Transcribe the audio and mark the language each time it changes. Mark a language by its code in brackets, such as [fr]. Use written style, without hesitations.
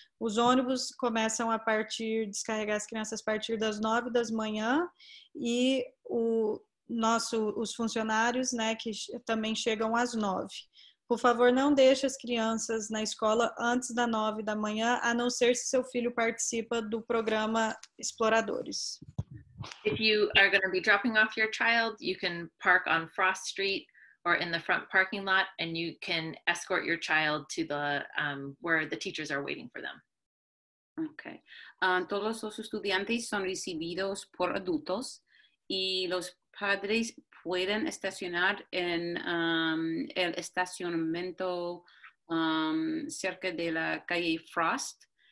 [pt] Os ônibus começam a partir, descarregar as crianças a partir das 9 da manhã e os funcionários, né, que também chegam às 9. Por favor, não deixe as crianças na escola antes da 9 da manhã, a não ser se seu filho participa do programa Exploradores. [en] If you are going to be dropping off your child, you can park on Frost Street or in the front parking lot, and you can escort your child to the where the teachers are waiting for them. Okay. [es] Todos los estudiantes son recibidos por adultos y los padres pueden estacionar en el estacionamiento cerca de la calle Frost.